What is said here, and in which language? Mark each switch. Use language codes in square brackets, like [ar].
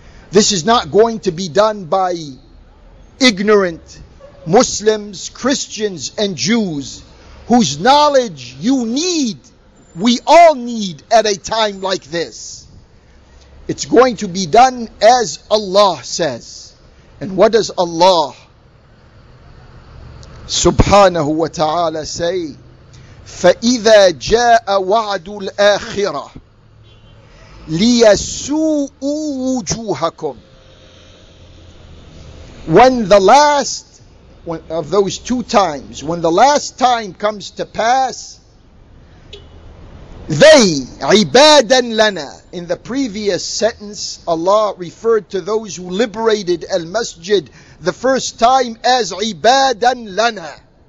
[en] This is not going to be done by ignorant Muslims, Christians, and Jews whose knowledge you need, we all need at a time like this. It's going to be done as Allah says. And what does Allah [ar] سبحانه وتعالى [en] say, [ar] فإذا جاء وعد الآخرة ليسوء وجوهكم. [en] When the last of those two times, when the last time comes to pass, they, [ar] عِبَادًا لَنَا. [en] In the previous sentence, Allah referred to those who liberated al-Masjid the first time as [ar] عِبَادًا لَنَا.